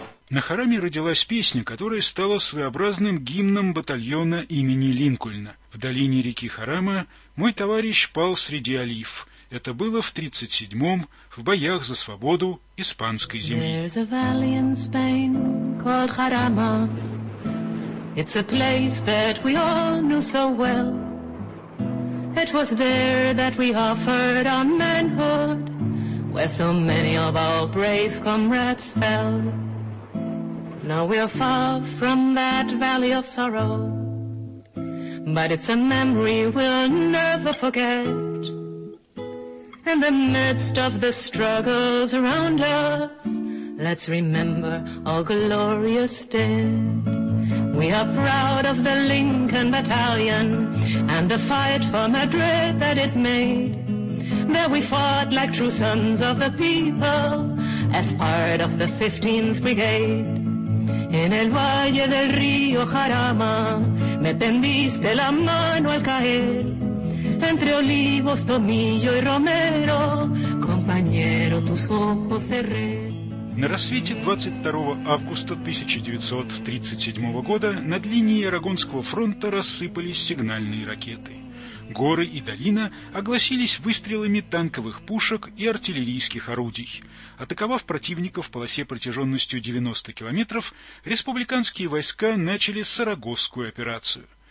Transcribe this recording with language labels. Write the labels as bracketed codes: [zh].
[ru] На Хараме родилась песня, которая стала своеобразным гимном батальона имени Линкольна. «В долине реки Харама мой товарищ пал среди олив». Это было в 37-м, в боях за свободу испанской земли. [en] There's a valley in Spain called Jarama. It's a place that we all know so well. It was there that we offered our manhood, where so many of our brave comrades fell. Now we are far from that valley of sorrow, but it's a memory we'll never forget. In the midst of the struggles around us, let's remember our glorious dead. We are proud of the Lincoln Battalion and the fight for Madrid that it made. There we fought like true sons of the people as part of the 15th Brigade. [es] En el valle del río Jarama me tendiste la mano al caer. Entre olivos, tomillo y romero, compañero, tus ojos de rey. [ru] На рассвете 22 августа 1937 года над линией Арагонского фронта рассыпались сигнальные ракеты. Горы и долина огласились выстрелами танковых пушек и артиллерийских орудий. Атаковав противника в полосе протяженностью 90 километров, республиканские войска начали Сарагосскую операцию.